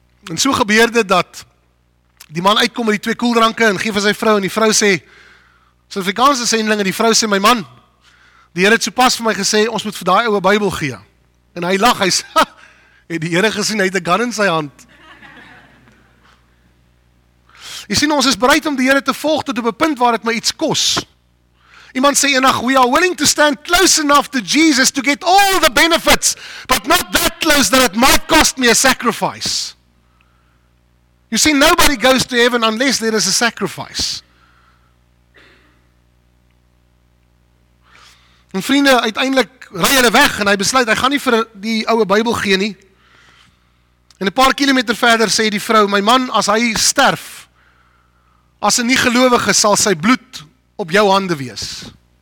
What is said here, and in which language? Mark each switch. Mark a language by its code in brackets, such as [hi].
[af] En so gebeurde dat die man uitkom met die twee koeldranke en geef vir sy vrou, en die vrou sê, Suid-Afrikaanse sendeling, en die vrou sê, my man, die Here het so pas vir my gesê, ons moet vir daai ouwe Bybel gee. En hy lag, hy sê, het die Here gesien, hy het 'n gun in sy hand. Jy sien, ons is bereid om die Here te volg tot op 'n punt waar het my iets kos. Iemand sê enig, [en] we are willing to stand close enough to Jesus to get all the benefits, but not that close that it might cost me a sacrifice. You see, nobody goes to heaven unless there is a sacrifice. [af] En vriende, uiteindelik ry hulle weg en hy besluit, hy gaan nie vir die ouwe Bybel gee nie. En 'n paar kilometer verder sê die vrou, my man, as hy sterf, as 'n nie gelowige sal sy bloed op jou hande wees.